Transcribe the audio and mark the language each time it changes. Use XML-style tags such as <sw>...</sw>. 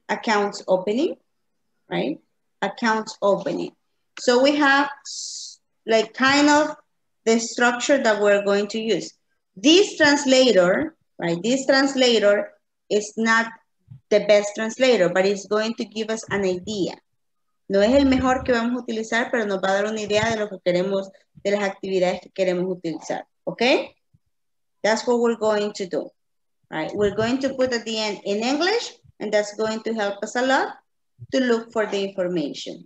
<en>Accounts opening. Right? Accounts opening. So we have like kind of the structure that we're going to use. This translator, right? This translator is not the best translator, but it's going to give us an idea.</en> <es>No es el mejor que vamos a utilizar, pero nos va a dar una idea de lo que queremos, de las actividades que queremos utilizar.</es> <en>Okay? That's what we're going to do. Right? We're going to put at the end in English, and that's going to help us a lot to look for the information.</en>